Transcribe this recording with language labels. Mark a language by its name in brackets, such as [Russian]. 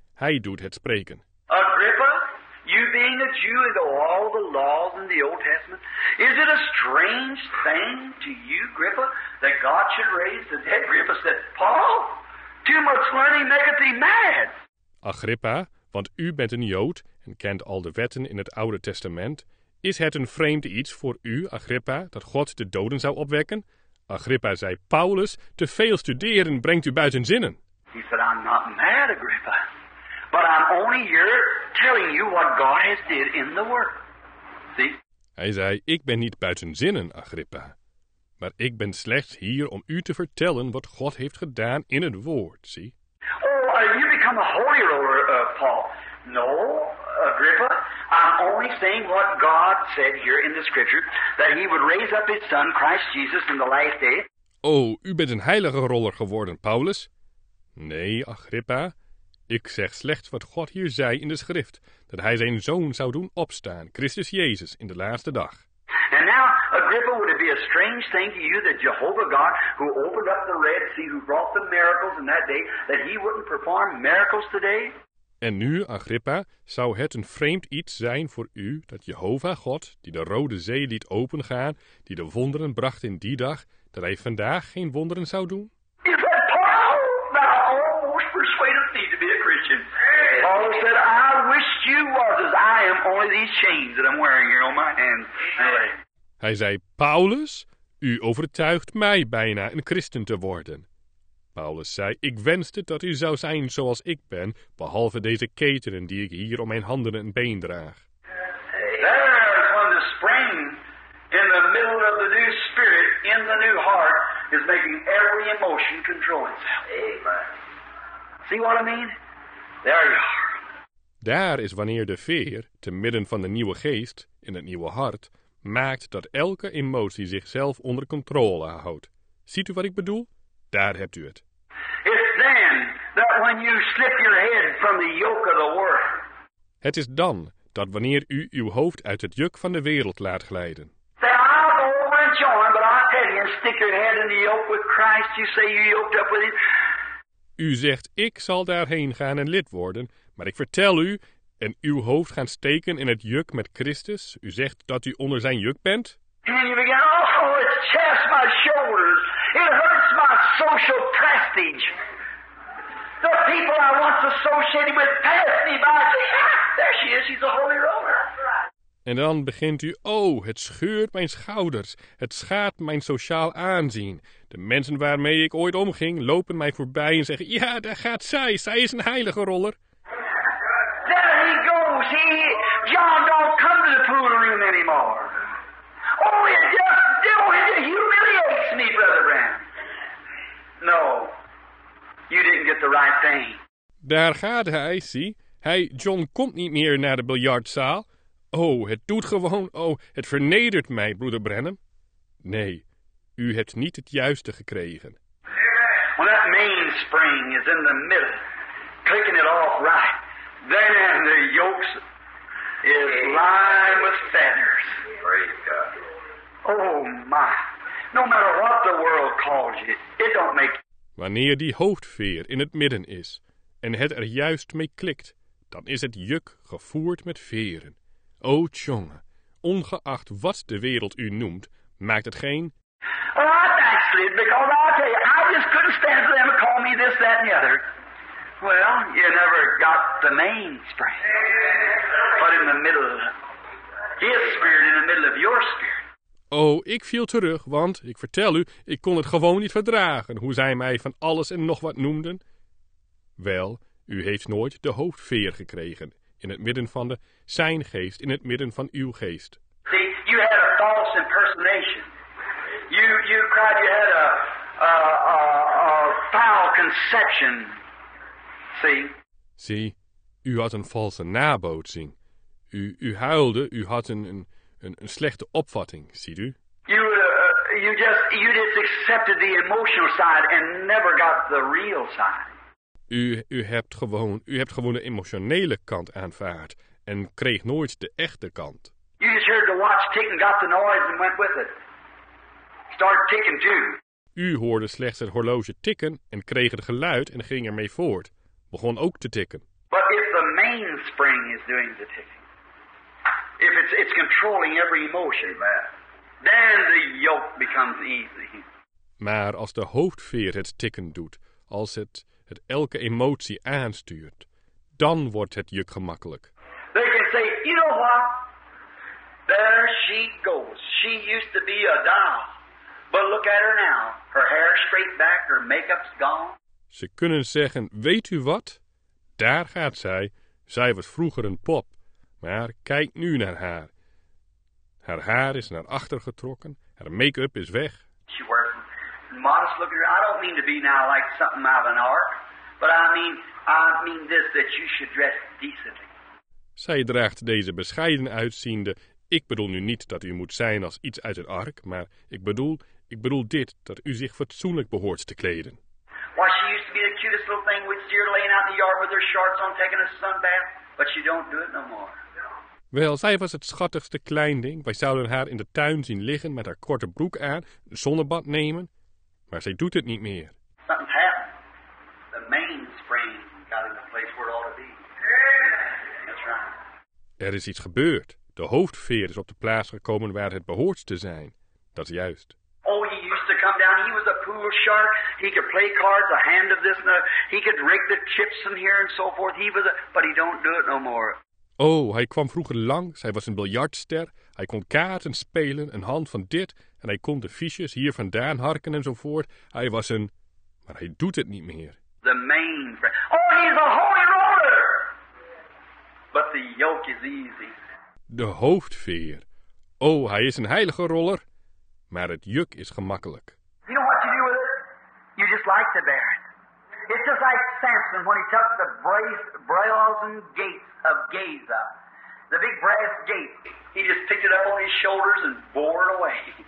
[Dutch] Hij doet het spreken. [English] Agrippa, you being a Jew and know all the laws in the Old Testament, is it a strange thing to you, Agrippa, that God should raise the dead? Agrippa said, Paul, too much learning maketh thee mad. [Dutch] Agrippa, want u bent een Jood en kent al de wetten in het Oude Testament, is het een vreemd iets voor u, Agrippa, dat God de doden zou opwekken? Agrippa zei, Paulus, te veel studeren brengt u buiten zinnen. [English] He said, I'm not mad, Agrippa, but I'm only here telling you what God has did in the Word. See? [Dutch] Hij zei, ik ben niet buiten zinnen, Agrippa, maar ik ben slechts hier om u te vertellen wat God heeft gedaan in het Woord, zie. [English] Oh, you become a holy roller, Paul. No, Agrippa, I'm only saying what God said here in the scripture, that he would raise up his son, Christ Jesus, in the last day. [Dutch] Oh, u bent een heilige roller geworden, Paulus. Nee, Agrippa, ik zeg slechts wat God hier zei in de schrift, dat hij zijn zoon zou doen opstaan, Christus Jezus, in de laatste dag. [English] And now, Agrippa, would it be a strange thing to you that Jehovah God, who opened up the Red Sea, who brought the miracles in that day, that he wouldn't perform miracles today? [Dutch] En nu, Agrippa, zou het een vreemd iets zijn voor u dat Jehovah God, die de Rode Zee liet opengaan, die de wonderen bracht in die dag, dat hij vandaag geen wonderen zou doen? [English] He said, Paul, thou almost persuaded me to be a Christian. Paul said, I wish you was as I am, only these chains that I'm wearing here on my hands. [Dutch] Hij zei, Paulus, u overtuigt mij bijna een christen te worden. Paulus zei, ik wenste dat u zou zijn zoals ik ben, behalve deze ketenen die ik hier om mijn handen en been draag. [English] There when the spring in the middle of the new spirit in the new heart is making every emotion control itself. Amen. See what I mean? There you are. [Dutch] Daar is wanneer de veer, te midden van de nieuwe geest, in het nieuwe hart, maakt dat elke emotie zichzelf onder controle houdt. Ziet u wat ik bedoel? Daar hebt u het. [English] It's then that when you slip your head from the yoke of the world. [Dutch] Het is dan dat wanneer u uw hoofd uit het juk van de wereld laat glijden. [English] Say, I'll go over and join, but I'll tell you, stick your head in the yoke with Christ. You say you yoked up with him. [Dutch] U zegt, ik zal daarheen gaan en lid worden, maar ik vertel u, en uw hoofd gaan steken in het juk met Christus. U zegt dat u onder zijn juk bent. [English] And you begin, oh, it's chest my shoulders. It hurts my social prestige. The people I once associated with pass me by. Ah, there she is, she's a holy roller. [Dutch] En dan begint u, oh, het scheurt mijn schouders. Het schaadt mijn sociaal aanzien. De mensen waarmee ik ooit omging, lopen mij voorbij en zeggen, ja, daar gaat zij. Zij is een heilige roller. [English] There he goes. He, John don't come to the pool room anymore. Oh, it just humiliates me, Brother Brown. No, you didn't get the right thing. [Dutch] Daar gaat hij, zie. Hij, John, komt niet meer naar de biljartzaal. Oh, het doet gewoon, oh, het vernedert mij, broeder Branham. Nee, u hebt niet het juiste gekregen. [English] When that mainspring is in the middle, clicking it off right, then the yokes is lined with feathers. Praise God. Oh my, no matter what the world calls you, it don't make... [Dutch] Wanneer die hoofdveer in het midden is en het er juist mee klikt, dan is het juk gevoerd met veren. O tjonge, ongeacht wat de wereld u noemt, maakt het geen... [English] Oh, I'm actually, because I'll tell you, I just couldn't stand for them to call me this, that and the other. Well, you never got the mainspring. But in the middle of his spirit, in the middle of your spirit. [Dutch] Oh, ik viel terug, want, ik vertel u, ik kon het gewoon niet verdragen, hoe zij mij van alles en nog wat noemden. Wel, u heeft nooit de hoofdveer gekregen, in het midden van de zijn geest, in het midden van uw geest. [English] See, you had a false impersonation. You cried you had a foul conception. See? [Dutch] See, u had een valse nabootsing. U huilde, u had een slechte opvatting, ziet u? [English] You just accepted the emotional side and never got the real side. [Dutch] U hebt gewoon de emotionele kant aanvaard en kreeg nooit de echte kant. [English] You just heard the watch tick and got the noise and went with it. Started ticking too. [Dutch] U hoorde slechts het horloge tikken en kreeg het geluid en ging ermee voort. Begon ook te tikken. [English] But if the mainspring is doing the ticking, if it's controlling every emotion, then the yoke becomes easy. [Dutch] Maar als de hoofdveer het tikken doet, als het elke emotie aanstuurt, dan wordt het juk gemakkelijk. [English] They can say, you know what? There she goes. She used to be a doll. But look at her now. Her hair straight back, her makeup's gone. [Dutch] Ze kunnen zeggen, weet u wat? Daar gaat zij. Zij was vroeger een pop. Maar kijk nu naar haar. Haar haar is naar achter getrokken. Haar make-up is weg. [English] She wears modest looking. I don't mean to be now like something out of an ark. But I mean this, that you should dress decently. [Dutch] Zij draagt deze bescheiden uitziende. Ik bedoel nu niet dat u moet zijn als iets uit een ark. Maar ik bedoel dit, dat u zich fatsoenlijk behoort te kleden. [English] Why, she used to be the cutest little thing with deer laying out in the yard with her shorts on taking a sunbath. But you don't do it no more. [Dutch] Wel, zij was het schattigste klein ding. Wij zouden haar in de tuin zien liggen met haar korte broek aan, een zonnebad nemen. Maar zij doet het niet meer. [English] Something's happened. The mainspring got in the place where it ought to be. That's right. [Dutch] Er is iets gebeurd. De hoofdveer is op de plaats gekomen waar het behoort te zijn. Dat is juist. [English] Oh, he used to come down. He was a pool shark. He could play cards, a hand of this and a... He could rake the chips in here and so forth. He was a... But he don't do it no more. [Dutch] Oh, hij kwam vroeger langs, hij was een biljartster, hij kon kaarten spelen, een hand van dit, en hij kon de fiches hier vandaan harken enzovoort. Hij was een... Maar hij doet het niet meer. [English] The main... Oh, he's a holy roller! But the yoke is easy. [Dutch] De hoofdveer. Oh, hij is een heilige roller, maar het juk is gemakkelijk. [English] You know what you do with it? You just like to bear it. It's just like Samson when he took the brazen gates of Gaza, the big brass gate. He just picked it up on his shoulders and bore it away.